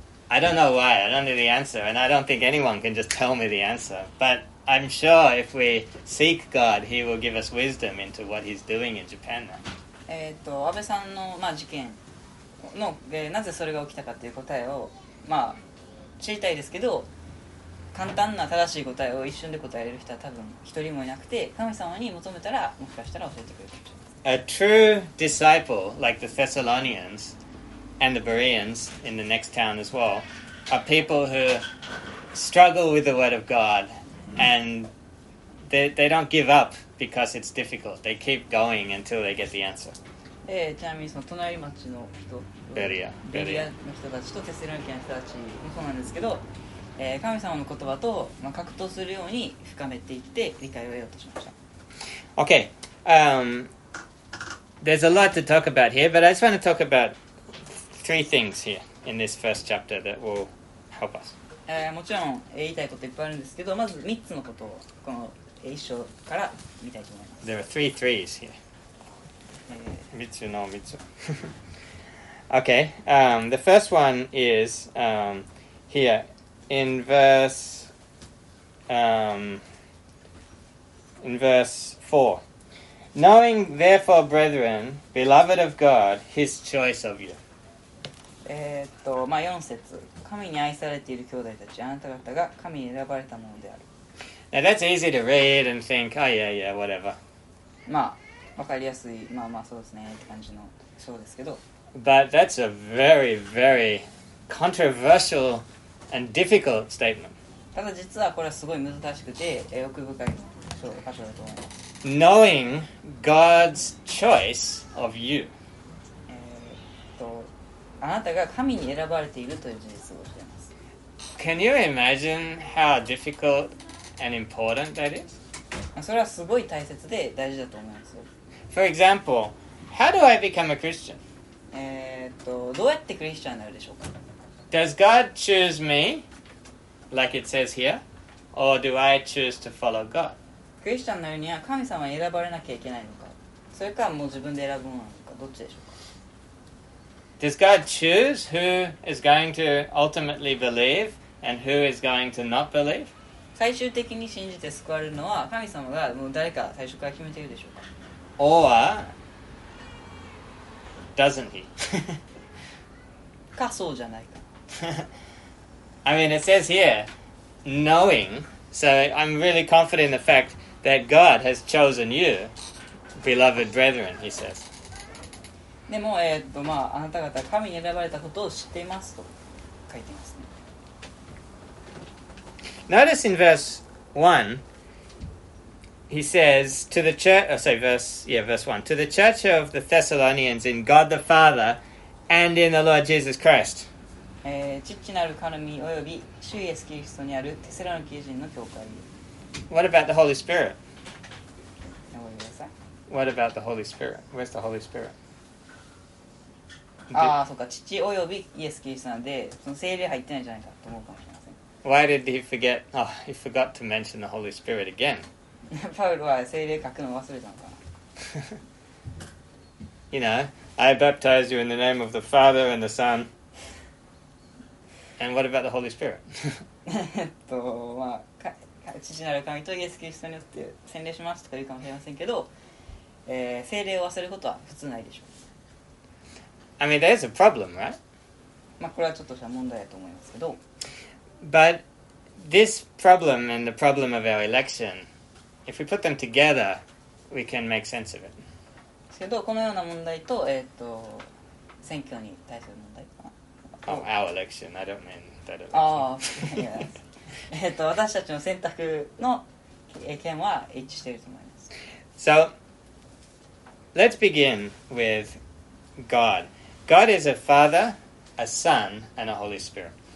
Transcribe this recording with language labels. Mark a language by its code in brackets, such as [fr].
[en] I don't know why, I don't know the answer, and I don't think anyone can just tell me the answer. But I'm sure if we seek God, He will give us wisdom into what He's doing in Japan now. [ja] Abe-san の、まあ、事件の、なぜそれが起きたかという答えを、まあ、知りたいですけど、簡単な正しい答えを一瞬で答える人は多分一人もいなくて、神様に求めたら、もしかしたら教えてくれるかもしれない。 [en] A true disciple, like the Thessalonians and the Bereans in the next town as well, are people who struggle with the word of God and they don't give up because it's difficult. They keep going until they get the answer. [ja] ちなみにその隣町の人、Beria の人たちとテセロニケの人たちもそうなんですけど、神様の言葉と、まあ、格闘するように深めていって理解を得ようとしました。 [en] Okay. There's a lot to talk about here, but I just want to talk about three things here in this first chapter that will help us. [ja] もちろん言いたいこといっぱいあるんですけど、まず3つのことをこの一章から見たいと思います。 [en] There are three threes here. [ja] 3つの3つ。 [en] Okay, the first one is here in verse 4. Knowing therefore, brethren, beloved of God, His choice of you. [ja] まあ、4節。神に愛されている兄弟たち、あなた方が神に選ばれたものである。 [en] Now that's easy to read and think, oh yeah, yeah, whatever. [ja] まあ、わかりやすい、まあまあそうですねって感じの章ですけど。 [en] But that's a very, very controversial and difficult statement. [ja] ただ実はこれはすごい難しくて、奥深い章、箇所だと思います。 [en] Knowing God's choice of you. [ja] あなたが神に選ばれているという事実を知っています。 [en] Can you imagine how difficult and important that is? [ja] それはすごい大切で大事だと思いますよ。 [en] For example, how do I become a Christian? [ja] どうやってクリスチャンになるでしょうか? [en] Does God choose me, like it says here, or do I choose to follow God? [ja] クリスチャンのようには神様は選ばれなきゃいけないのか、それかもう自分で選ぶものなのか、どっちでしょうか。 [en] Does God choose who is going to ultimately believe and who is going to not believe? [ja] 最終的に信じて救われるのは神様がもう誰か最初から決めているでしょうか。 [en] Or doesn't he? [ja] かそうじゃないか。 [en] I mean, it says here, knowing, so I'm really confident in the fact. That God has chosen you, beloved brethren, he says. [ja] でも、まあ、あなた方、神に選ばれたことを知っていますと書いていますね。 [en] Notice in verse 1, he says, to the church, verse 1, to the church of the Thessalonians in God the Father and in the Lord Jesus Christ. [ja] 父なる神および主イエスキリストにあるテセロニケ人の教会。 [en] What about the Holy Spirit? What about the Holy Spirit? Where's the Holy Spirit? [ja] ああ、そうか。父およびイエス・キリストなんで、その聖霊入ってないじゃないかと思うかもしれません。 [en] Why did he forget? Oh, he forgot to mention the Holy Spirit again. [ja] パウロは聖霊書くの忘れたのかな。 [en] You know, I baptize you in the name of the Father and the Son. And what about the Holy Spirit? [ja] まあ、父なる神とイエス・キリストによって洗礼しますとか言うかもしれませんけど、聖霊を忘れることは普通ないでしょ [en] う。I mean, there's a problem, right? [ja] まあ、これはちょっとした問題だと思いますけど。 [en] But this problem and the problem of our election, if we put them together, we can make sense of it. [ja] けどこのような問題と、選挙に対する問題かな。 [en] Oh, our election. I don't mean that election. Oh, yes. [ja] 私たちの選択の件は一致していると思います。 [en] So, let's begin with God. God is a Father, a Son, and a Holy Spirit.